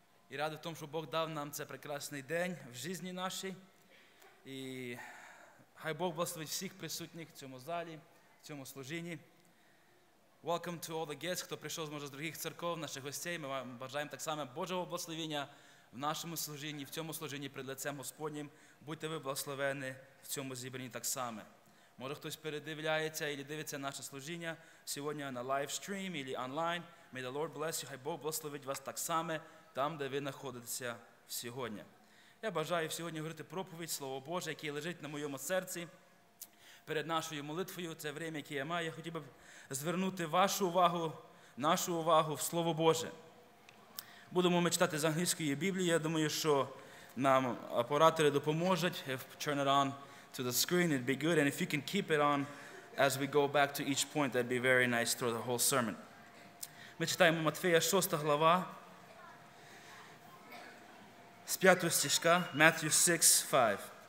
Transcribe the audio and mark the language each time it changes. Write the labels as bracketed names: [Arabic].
[Russian] И рады в том, что Бог дал нам этот прекрасный день в жизни нашей. И хай Бог благословит всех присутних в этом зале, в этом служении. [English] Welcome to all the guests, [Russian] кто пришел, может, с других церков, наших гостей. Мы вам бажаем так само Божьего благословения в нашем служении, в этом служении перед лицем Господним. [Ukrainian] Будьте ви благословені в цьому зібранні так само. Може, хтось передивляється або дивиться наше служіння сьогодні на лайвстрім або онлайн. [English] May the Lord bless you. [Ukrainian] Хай Бог благословить вас так само там, де ви знаходитеся сьогодні. Я бажаю сьогодні говорити проповідь Слово Боже, яке лежить на моєму серці перед нашою молитвою. Це время, яке я маю. Я хотів би звернути вашу увагу, нашу увагу в Слово Боже. Будемо ми читати з англійської Біблії. Я думаю, що нам оператори допоможуть. [English] If you turn it on to the screen, it'd be good. And if you can keep it on as we go back to each point, that'd be very nice through the whole sermon. [Ukrainian] Ми читаємо Матфея 6 глава, з 5 стишка, [English] Matthew 6, 5.